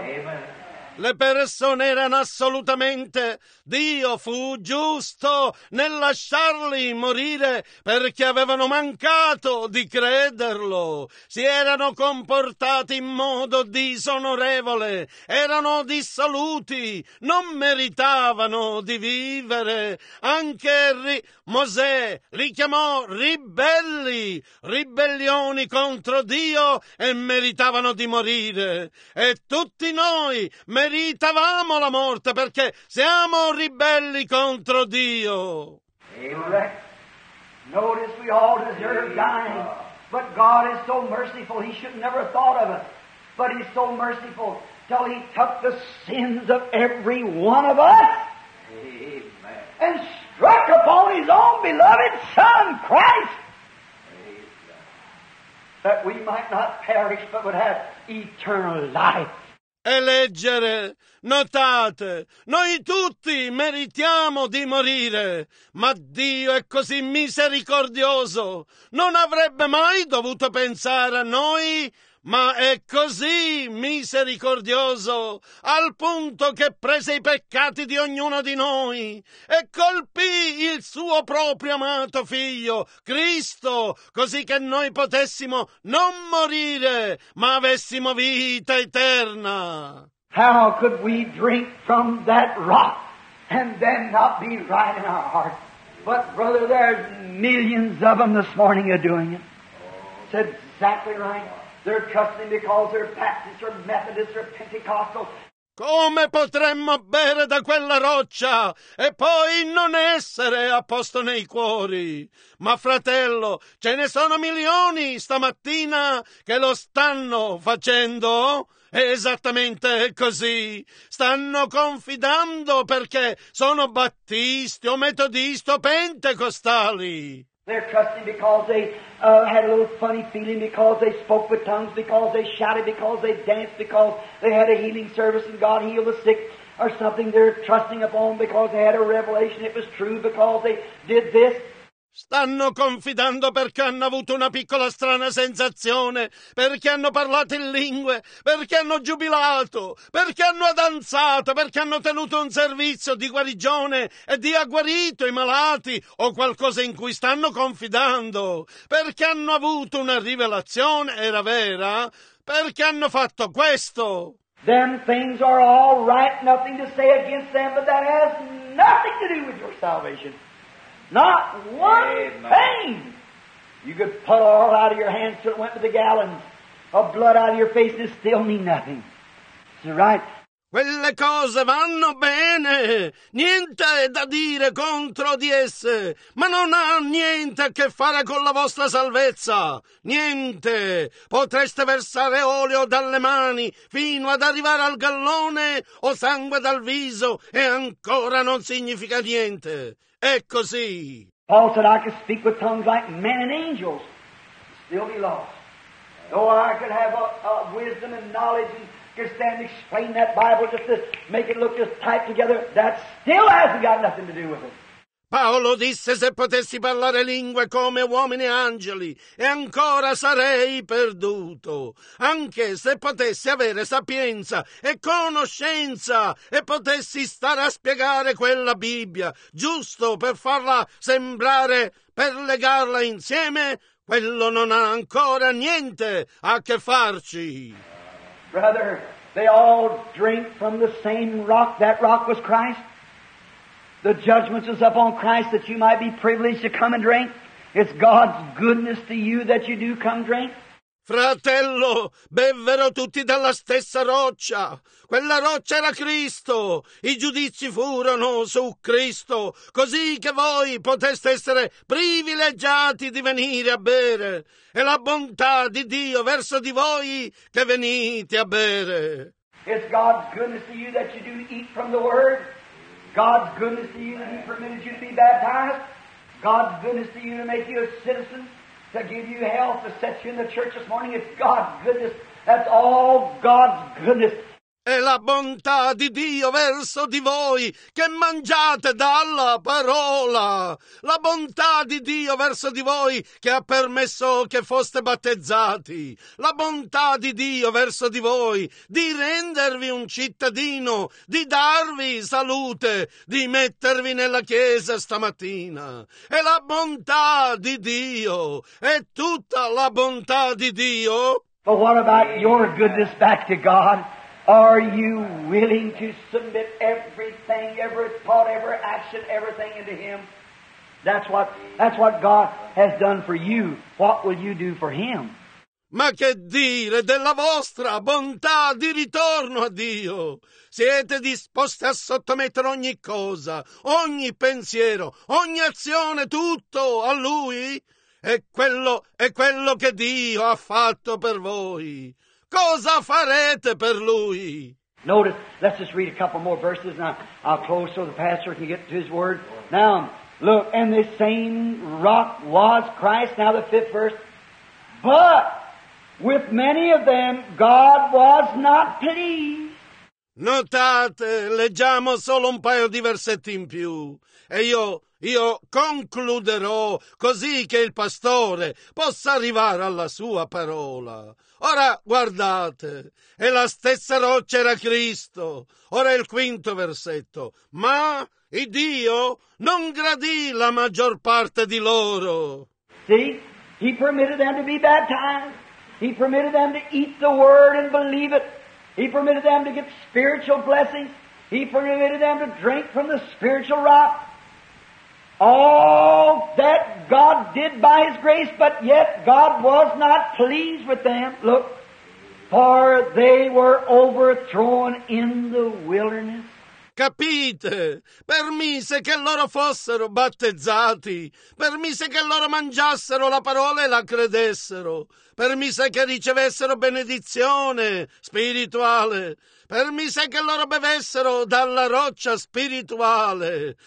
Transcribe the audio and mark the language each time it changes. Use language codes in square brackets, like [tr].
[it] Amen. Le persone erano assolutamente, Dio fu giusto nel lasciarli morire perché avevano mancato di crederlo. Si erano comportati in modo disonorevole, erano dissoluti, non meritavano di vivere. Anche Mosè li chiamò ribelli, ribellioni contro Dio, e meritavano di morire. E tutti noi meritavamo la morte perché siamo ribelli contro Dio. Amen. [en] Notice we all deserve dying, but God is so merciful, he should never have thought of us, but he's so merciful till he took the sins of every one of us. Amen. And struck upon his own beloved son, Christ. Amen. That we might not perish, but would have eternal life. [it] E leggere, notate, noi tutti meritiamo di morire, ma Dio è così misericordioso, non avrebbe mai dovuto pensare a noi, ma è così misericordioso, al punto che prese i peccati di ognuno di noi e colpì il suo proprio amato figlio, Cristo, così che noi potessimo non morire, ma avessimo vita eterna. [en] How could we drink from that rock and then not be right in our heart? But brother, there's millions of them this morning are doing it. It's exactly right. They're trusting because they're Baptists or Methodists or Pentecostals. [it] Come potremmo bere da quella roccia e poi non essere a posto nei cuori? Ma fratello, ce ne sono milioni stamattina che lo stanno facendo. È esattamente così. Stanno confidando perché sono battisti o metodisti o pentecostali. [en] They're trusting because they had a little funny feeling, because they spoke with tongues, because they shouted, because they danced, because they had a healing service and God healed the sick or something. They're trusting upon because they had a revelation, it was true, because they did this. [it] Stanno confidando perché hanno avuto una piccola strana sensazione, perché hanno parlato in lingue, perché hanno giubilato, perché hanno danzato, perché hanno tenuto un servizio di guarigione e Dio ha guarito i malati, o qualcosa in cui stanno confidando, perché hanno avuto una rivelazione, era vera, perché hanno fatto questo. [en] Then things are all right, nothing to say against them, but that has nothing to do with your salvation. Not one thing. You could pull all out of your hands till it went to the gallons. Or blood out of your face, it still mean nothing. Is it right? [it] Quelle cose vanno bene. Niente da dire contro di esse. Ma non ha niente a che fare con la vostra salvezza. Niente. Potreste versare olio dalle mani fino ad arrivare al gallone o sangue dal viso e ancora non significa niente. È così. [en] Paul said, I could speak with tongues like men and angels, still be lost. Though I could have a wisdom and knowledge and could stand and explain that Bible just to make it look just tight together. That still hasn't got nothing to do with it. [it] Paolo disse se potessi parlare lingue come uomini e angeli, e ancora sarei perduto. Anche se potessi avere sapienza e conoscenza e potessi stare a spiegare quella Bibbia, giusto per farla sembrare, per legarla insieme, quello non ha ancora niente a che farci. [en] Brother, they all drink from the same rock. That rock was Christ. The judgment is upon Christ that you might be privileged to come and drink. It's God's goodness to you that you do come drink. [it] Fratello, bevvero tutti dalla stessa roccia. Quella roccia era Cristo. I giudizi furono su Cristo, così che voi poteste essere privilegiati di venire a bere. È la bontà di Dio verso di voi che venite a bere. [en] It's God's goodness to you that you do eat from the Word. God's goodness to you that He permitted you to be baptized. God's goodness to you to make you a citizen, to give you health, to set you in the church this morning. It's God's goodness. That's all God's goodness. [it] È la bontà di Dio verso di voi che mangiate dalla parola. La bontà di Dio verso di voi che ha permesso che foste battezzati. La bontà di Dio verso di voi di rendervi un cittadino, di darvi salute, di mettervi nella chiesa stamattina. È la bontà di Dio. È tutta la bontà di Dio. [en] But what about your goodness back to God? Are you willing to submit everything, every thought, every action, everything into Him? That's what God has done for you. What will you do for Him? [it] Ma che dire della vostra bontà di ritorno a Dio? Siete disposti a sottomettere ogni cosa, ogni pensiero, ogni azione, tutto a Lui? È quello che Dio ha fatto per voi. Cosa farete per Lui? [en] Notice, let's just read a couple more verses and I'll close so the pastor can get to his word. Now, look, and this same rock was Christ. Now the fifth verse. But with many of them, God was not pleased. [it] Notate, leggiamo solo un paio di versetti in più. E io concluderò così che il pastore possa arrivare alla sua parola. Ora guardate, e la stessa roccia era Cristo. Ora il quinto versetto. Ma il Dio non gradì la maggior parte di loro. [en] See, He permitted them to be baptized. He permitted them to eat the word and believe it. He permitted them to get spiritual blessings. He permitted them to drink from the spiritual rock. All that God did by His grace, but yet God was not pleased with them. Look, for they were overthrown in the wilderness. [it] Capite? Permise che loro fossero battezzati, permise che loro mangiassero la parola e la credessero, permise che ricevessero benedizione spirituale, permise che loro bevessero dalla roccia spirituale.